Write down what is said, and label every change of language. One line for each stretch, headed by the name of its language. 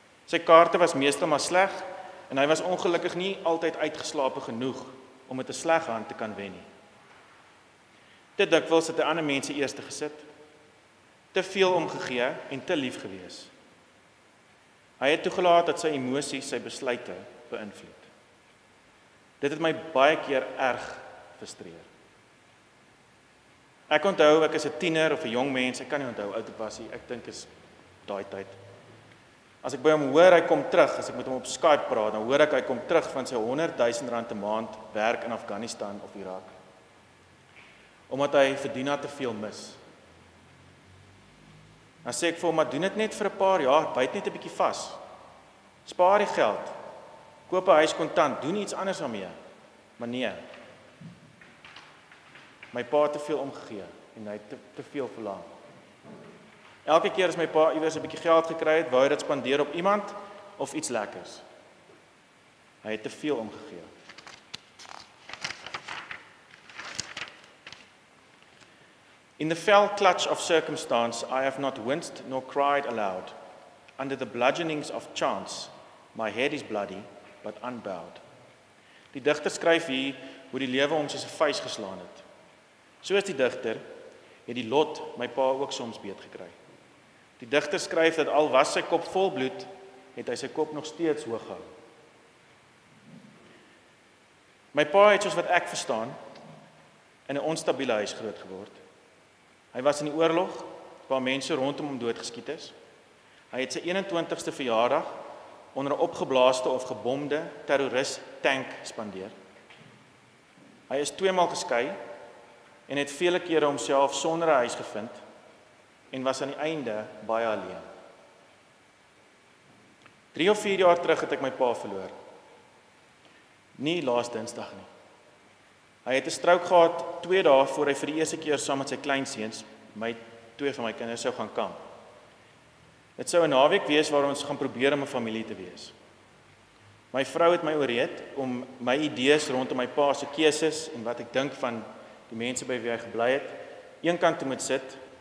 Afrikaans: Sy kaarte was meestal maar sleg en hy was ongelukkig nie altyd uitgeslape genoeg om met 'n sleg hand te kan wen nie. Te dikwels het hy ander mense eerste gesit, te veel omgegee en te lief gewees. Hy het toegelaat dat sy emosies sy besluite beïnvloed. Dit het my baie keer erg frustreer. Ek onthou, ek is 'n tiener of 'n jong mens, ek kan nie onthou, oud was hy, ek dink is daai tyd. As ek by hom hoor, hy kom terug, as ek met hom op Skype praat, dan hoor ek, hy kom terug van sy 100.000 rand 'n maand werk in Afghanistan of Irak. Omdat hy vir Dina te veel mis. Dan sê ek vir hom, maar doen dit net vir 'n paar jaar, byt net 'n bietjie vas. Spaar die geld. Koop 'n huis kontant, doen iets anders daarmee. Maar nee. My pa het te veel omgegee en hy het te veel verlang. Elke keer as my pa iewers 'n bietjie geld gekry het, wou hy dit spandeer op iemand of iets lekkers. Hy het te veel omgegee.
English: In the fell clutch of circumstance, I have not winced nor cried aloud. Under the bludgeonings of chance, my head is bloody, but unbowed.
Afrikaans: Die digter skryf hier hoe die lewe ons soos 'n vuis geslaan het. Soos die digter, het die lot my pa ook soms beet gekry. Die digter skryf dat al was sy kop vol bloed, het hy sy kop nog steeds hoog gehou. My pa het, soos wat ek verstaan, in 'n onstabiele huis groot geword. Hy was in die oorlog, waar mense rondom hom doodgeskiet is. Hy het sy 21ste verjaardag onder 'n opgeblaaste of gebomde terroris tank spandeer. Hy is 2 maal geskei en het vele kere homself sonder 'n huis gevind en was aan die einde baie alleen. 3 of 4 jaar terug het ek my pa verloor. Nie laas Dinsdag nie. Hy het 'n strook gehad 2 dae voor hy vir die eerste keer saam met sy kleinseuns, my 2 van my kinders, sou gaan kamp. Dit sou 'n naweek wees waar ons gaan probeer om 'n familie te wees. My vrou het my ooreed om my idees rondom my pa se keuses en wat ek dink van die mense by wie hy gebly het, een kant toe moet sit.